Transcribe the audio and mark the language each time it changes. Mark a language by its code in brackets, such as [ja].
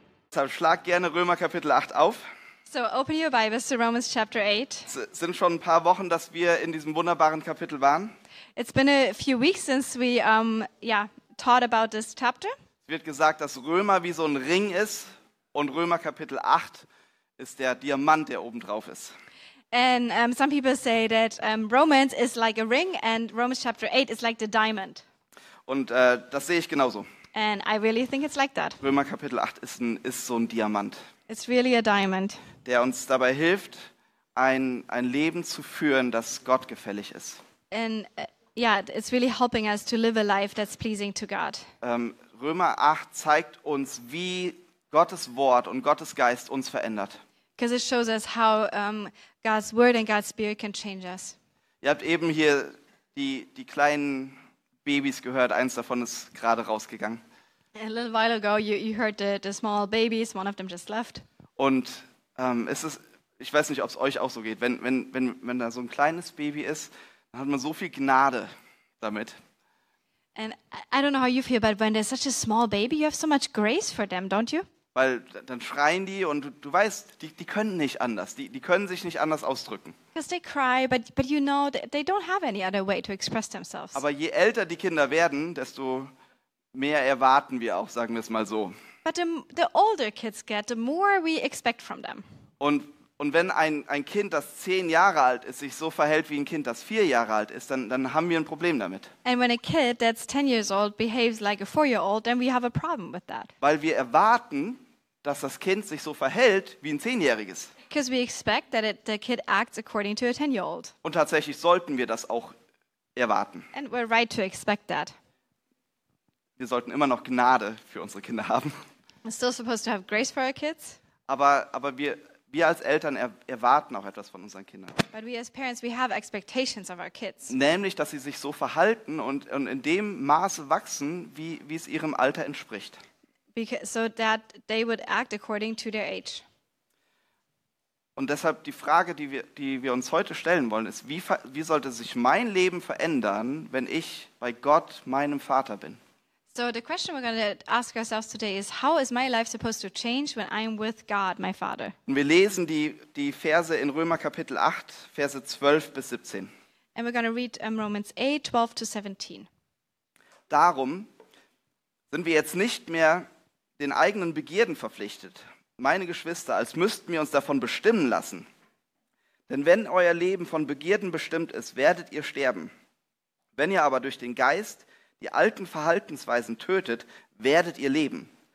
[de] Dann schlag gerne Römer Kapitel 8 auf. [en] So open your Bibles to Romans chapter 8. [de] Es sind schon ein paar Wochen, dass wir in diesem wunderbaren Kapitel waren. [en] It's been a few weeks since we taught about this chapter. [de] Es wird gesagt, dass Römer wie so ein Ring ist und Römer Kapitel 8 ist der Diamant, der oben drauf ist. [en] And some people say that Romans is like a ring and Romans chapter 8 is like the diamond. [de] Und das sehe ich genauso. [en] And I really think it's like that. [de] Römer Kapitel 8 ist so ein Diamant. [en] It's really a diamond. [de] Der uns dabei hilft, ein Leben zu führen, das Gott gefällig ist. [en] And it's really helping us to live a life that's pleasing to God. [de] Römer 8 zeigt uns, wie Gottes Wort und Gottes Geist uns verändert. [en] Because it shows us how God's word and God's spirit can change us. [de] Ihr habt eben hier die kleinen Babys gehört. Eins davon ist gerade rausgegangen. [en] A little while ago, you heard the small babies. One of them just left. [de] Und ich weiß nicht, ob es euch auch so geht. Wenn da so ein kleines Baby ist, dann hat man so viel Gnade damit. [en] And I don't know how you feel, but when there's such a small baby, you have so much grace for them, don't you? [de] Weil dann schreien die und du weißt, die können nicht anders. Die können sich nicht anders ausdrücken. [en] Because they cry, but you know they don't have any other way to express themselves. [de] Aber je älter die Kinder werden, desto mehr erwarten wir auch, sagen wir es mal so. [en] But the older kids get, the more we expect from them. [de] Und wenn ein Kind, das 10 Jahre alt ist, sich so verhält wie ein Kind, das 4 Jahre alt ist, dann haben wir ein Problem damit. [en] And when a kid that's 10 years old behaves like a 4 year old, then we have a problem with that. [de] Weil wir erwarten, dass das Kind sich so verhält wie ein 10-jähriges. [en] Because we expect that the kid acts according to a 10 year old. [de] Und tatsächlich sollten wir das auch erwarten. [en] And we're right to expect that. [de] Wir sollten immer noch Gnade für unsere Kinder haben. [en] We're still supposed to have grace for our kids. [de] Aber wir als Eltern erwarten auch etwas von unseren Kindern. [en] But we as parents, we have expectations of our kids. [de] Nämlich, dass sie sich so verhalten und in dem Maße wachsen, wie es ihrem Alter entspricht. [en] So that they would act according to their age. [de] Und deshalb die Frage, die wir uns heute stellen wollen, ist, wie sollte sich mein Leben verändern, wenn ich bei Gott, meinem Vater, bin? [en] So the question we're going to ask ourselves today is, how is my life supposed to change when I'm with God, my Father? [de] Und wir lesen die Verse in Römer Kapitel 8, Verse 12 bis 17. [en] And we're going to read Romans 8, 12 to 17. [de] Darum sind wir jetzt nicht mehr den eigenen Begierden verpflichtet, meine Geschwister, als müssten wir uns davon bestimmen lassen. Denn wenn euer Leben von Begierden bestimmt ist, werdet ihr sterben. Wenn ihr aber durch den Geist die alten Verhaltensweisen tötet, werdet ihr leben.